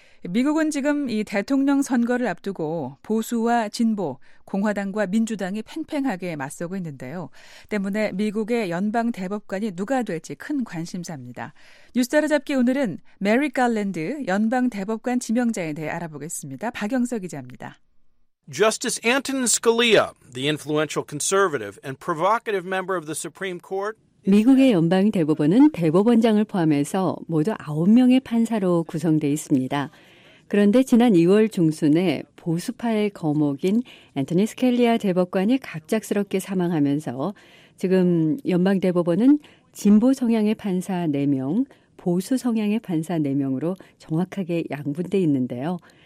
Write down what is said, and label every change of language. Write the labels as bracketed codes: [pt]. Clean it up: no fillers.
[ko] 미국은 지금 이 대통령 선거를 앞두고 보수와 진보, 공화당과 민주당이 팽팽하게 맞서고 있는데요. 때문에 미국의 연방 대법관이 누가 될지 큰 관심사입니다. 뉴스 따라잡기 오늘은 메릭 갈랜드 연방 대법관 지명자에 대해 알아보겠습니다. 박영석 기자입니다. [en] Justice Antonin Scalia, the influential conservative and provocative member of the Supreme Court. [ko] 미국의 연방 대법원은 대법원장을 포함해서 모두 9명의 판사로 구성되어 있습니다. 그런데 지난 2월 중순에 보수파의 거목인 앤터니 스켈리아 대법관이 갑작스럽게 사망하면서 지금 연방 대법원은 진보 성향의 판사 4명, 보수 성향의 판사 4명으로 정확하게 양분돼 있는데요.